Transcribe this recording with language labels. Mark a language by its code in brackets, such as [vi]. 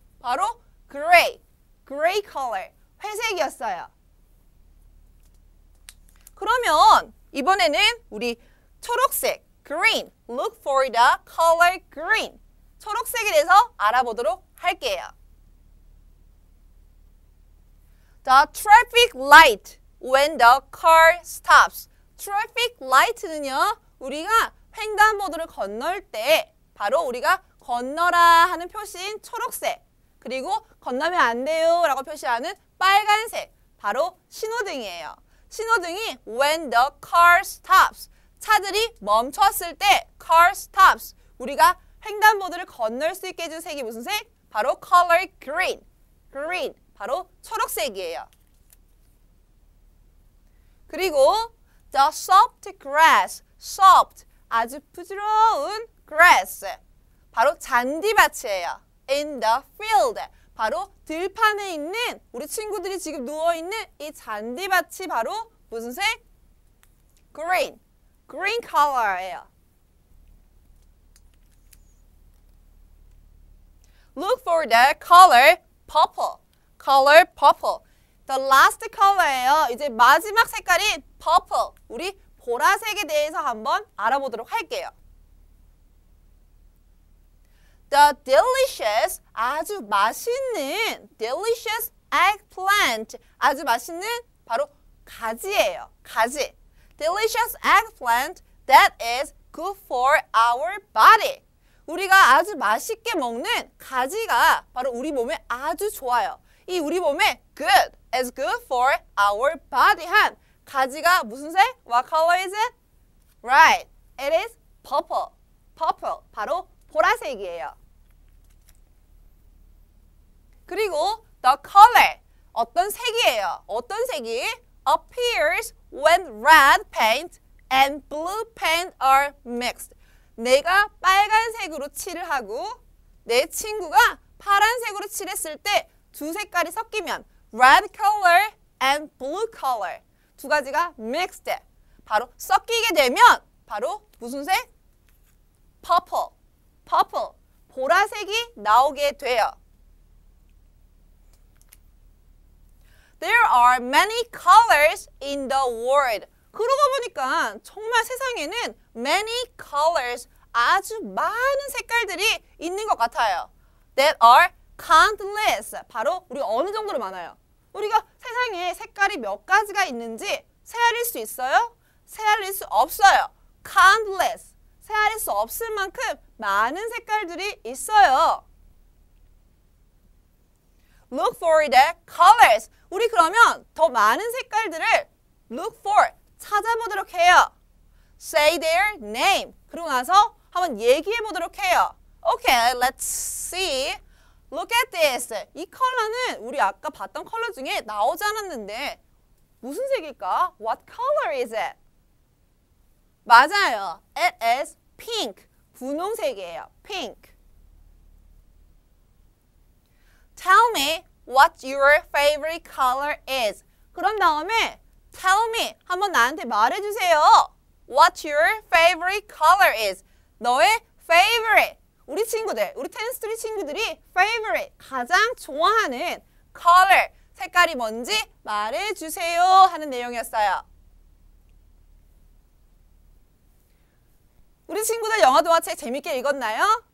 [en] 바로 gray. gray color. [ko] 회색이었어요. 그러면 이번에는 우리 [en] 초록색, green. Look for the color green. [ko] 초록색에 대해서 알아보도록 할게요. [en] The traffic light when the car stops. [ko] Traffic light는요, 우리가 횡단보도를 건널 때 바로 우리가 건너라 하는 표시인 초록색, 그리고 건너면 안 돼요 라고 표시하는 빨간색, 바로 신호등이에요. 신호등이 [en] when the car stops, [ko] 차들이 멈췄을 때 [en] car stops, [ko] 우리가 횡단보도를 건널 수 있게 해준 색이 무슨 색? 바로 [en] color green, green, [ko] 바로 초록색이에요. 그리고 [en] the soft grass, [ko] soft, 아주 부드러운 grass, 바로 잔디밭이에요. [en] In the field, [ko] 바로 들판에 있는 우리 친구들이 지금 누워있는 이 잔디밭이 바로 무슨 색? [en] Green, green color예요. Look for the color purple, color purple. The last color예요. [ko] 이제 마지막 색깔이 purple, 우리 보라색에 대해서 한번 알아보도록 할게요. [en] The delicious, [ko] 아주 맛있는 [en] delicious eggplant, [ko] 아주 맛있는 바로 가지예요. 가지. [en] Delicious eggplant that is good for our body. [ko] 우리가 아주 맛있게 먹는 가지가 바로 우리 몸에 아주 좋아요. 이 우리 몸에 [en] good is good for our body [ko] 한 가지가 무슨 색? [en] What color is it? Right. It is purple. Purple. [ko] 바로 보라색이에요. [en] 그리고 the color. [ko] 어떤 색이에요? 어떤 색이? [en] Appears when red paint and blue paint are mixed. [ko] 내가 빨간색으로 칠을 하고 내 친구가 파란색으로 칠했을 때 두 색깔이 섞이면 [en] red color and blue color. [ko] 두 가지가 mixed, 바로 섞이게 되면 바로 무슨 색? [en] Purple, purple, [ko] 보라색이 나오게 돼요. [en] There are many colors in the world. [ko] 그러고 보니까 정말 세상에는 [en] many colors, [ko] 아주 많은 색깔들이 있는 것 같아요. [en] That are countless, [ko] 바로 우리 어느 정도로 많아요? 우리가 세상에 색깔이 몇 가지가 있는지 세어릴 수 있어요? 세어릴 수 없어요. Countless. 세어릴 수 없을 만큼 많은 색깔들이 있어요. [en] Look for the colors. [ko] 우리 그러면 더 많은 색깔들을 [en] look for, [ko] 찾아보도록 해요. [en] Say their name. [ko] 그러고 나서 한번 얘기해보도록 해요. [en] Okay, let's see. Look at this. [ko] 이 컬러는 우리 아까 봤던 컬러 중에 나오지 않았는데 무슨 색일까? [en] What color is it? 맞아요. It is pink. 분홍색이에요. Pink. Tell me what your favorite color is. [ko] 그런 다음에 [en] tell me. [ko] 한번 나한테 말해주세요. [en] What your favorite color is. [ko] 너의 favorite. 우리 친구들, 우리 텐스트리 친구들이 favorite, 가장 좋아하는 color, 색깔이 뭔지 말해주세요 하는 내용이었어요. 우리 친구들 영화 동화책 재밌게 읽었나요?